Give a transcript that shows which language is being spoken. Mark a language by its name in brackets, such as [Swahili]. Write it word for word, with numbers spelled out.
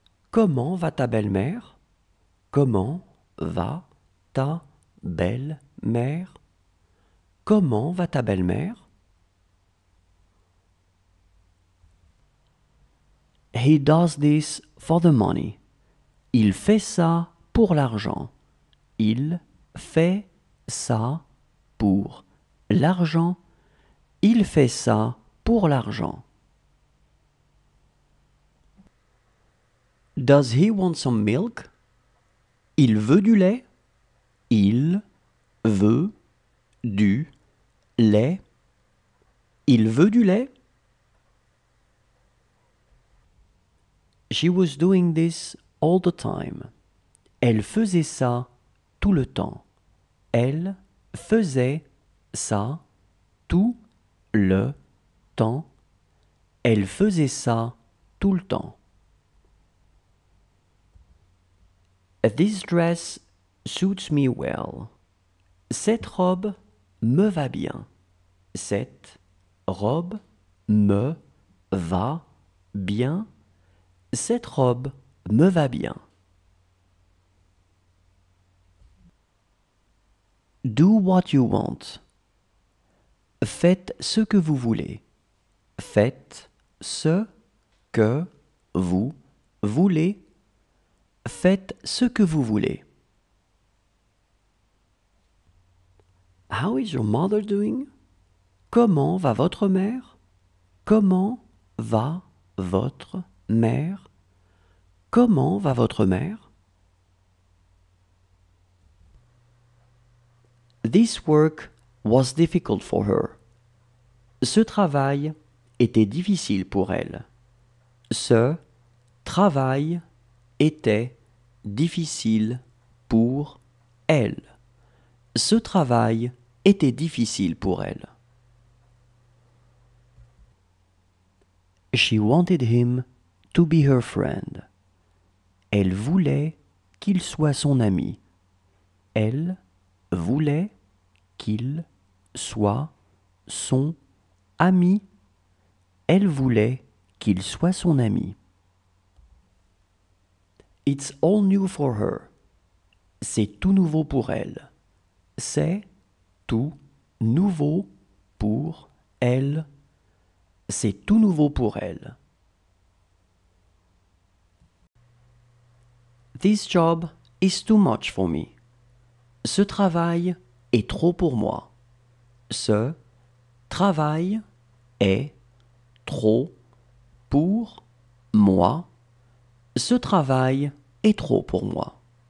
[French] Comment va ta belle-mère? Comment va ta belle-mère? Comment va ta belle-mère? [English] He does this for the money. [French] Il fait ça pour l'argent. Il fait ça pour l'argent. Il fait ça pour l'argent. [English] Does he want some milk? [French] Il veut du lait. Il veut du lait. Il veut du lait. [English] She was doing this all the time. [French] Elle faisait ça tout le temps. Elle faisait ça tout le temps. Elle faisait ça tout le temps. [English] This dress suits me well. [French] Cette robe me va bien. Cette robe me va bien. Cette robe me va bien. [English] Do what you want. [French] Faites ce que vous voulez. Faites ce que vous voulez. Faites ce que vous voulez. [English] How is your mother doing? [French] Comment va votre mère? Comment va votre mère? Comment va votre mère? [English] This work was difficult for her. [French] Ce travail était difficile pour elle. Ce travail était difficile pour elle. Ce travail était difficile pour elle. [English] She wanted him to be her friend. [French] Elle voulait qu'il soit son ami. Elle voulait qu'il soit son ami. Elle voulait qu'il soit son ami. [English] It's all new for her. [French] C'est tout nouveau pour elle. C'est tout nouveau pour elle. C'est tout nouveau pour elle. [English] This job is too much for me. [French] Ce travail est trop pour moi. Ce travail est trop pour moi. Ce travail est trop pour moi.